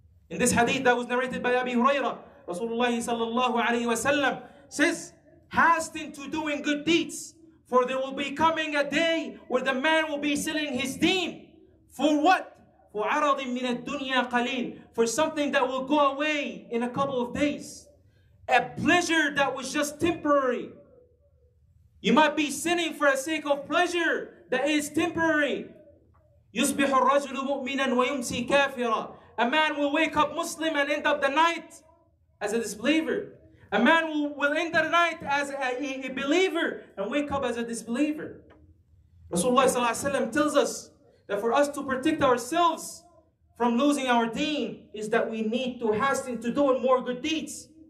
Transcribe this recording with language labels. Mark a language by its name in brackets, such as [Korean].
[English] In this hadith that was narrated by Abi Huraira, Rasulullah sallallahu alayhi wa sallam says, hasten to doing good deeds, for there will be coming a day where the man will be selling his deen. For what? [Arabic] وعرض من الدنيا قليل, [English] for something that will go away in a couple of days, a pleasure that was just temporary. You might be sinning for a sake of pleasure that is temporary. [Arabic] يصبح الرجل مؤمنا ويمسي كافرا. [English] A man will wake up Muslim and end up the night as a disbeliever. A man will end the night as a believer and wake up as a disbeliever. Rasulullah [Arabic] صلى الله عليه وسلم [English] tells us that for us to protect ourselves from losing our deen is that we need to hasten to do more good deeds.